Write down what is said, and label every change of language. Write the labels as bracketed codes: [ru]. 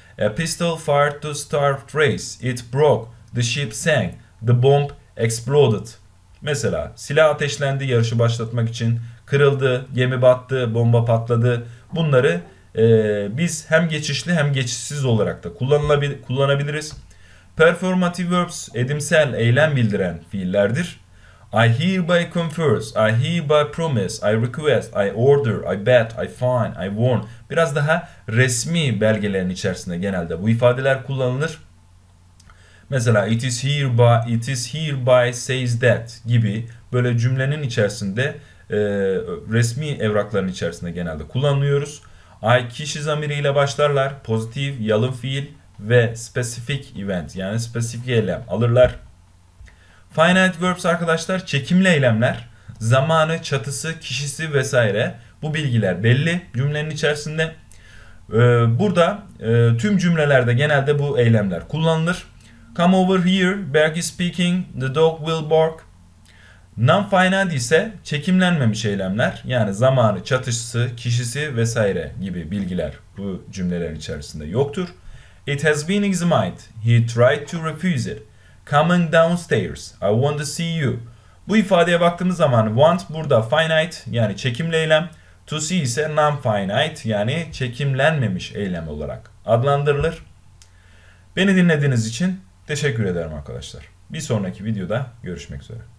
[en] A pistol fired to start race. It broke. The ship sank. The bomb exploded. [tr] Mesela silah ateşlendi yarışı başlatmak için, kırıldı, gemi battı, bomba patladı. Bunları biz hem geçişli hem geçişsiz olarak da kullanabiliriz. [en] Performative verbs, [tr] edimsel, eylem bildiren fiillerdir. [en] I hereby confess, I hereby promise, I request, I order, I bet, I fine, I warn. [tr] Biraz daha resmi belgelerin içerisinde genelde bu ifadeler kullanılır. Mesela [en] it is hereby says that [tr] gibi böyle cümlenin içerisinde resmi evrakların içerisinde genelde kullanıyoruz. I kişi zamiriyle başlarlar. Pozitif, yalın fiil ve [en] specific event [tr] yani spesifik eylem alırlar. [en] Finite verbs [tr] arkadaşlar çekimli eylemler. Zamanı, çatısı, kişisi vesaire bu bilgiler belli cümlenin içerisinde. Burada tüm cümlelerde genelde bu eylemler kullanılır. [en] Come over here, Berg is speaking, the dog will bark. [tr] Non-finite ise çekimlenmemiş eylemler, yani zamanı, çatışısı, kişisi vesaire gibi bilgiler bu cümlelerin içerisinde yoktur. [en] It has been examined, he tried to refuse it. Coming downstairs, I want to see you. [tr] Bu ifadeye baktığımız zaman want burada finite yani çekimli eylem. To see ise non-finite yani çekimlenmemiş eylem olarak adlandırılır. Beni dinlediğiniz için teşekkür ederim arkadaşlar. Bir sonraki videoda görüşmek üzere.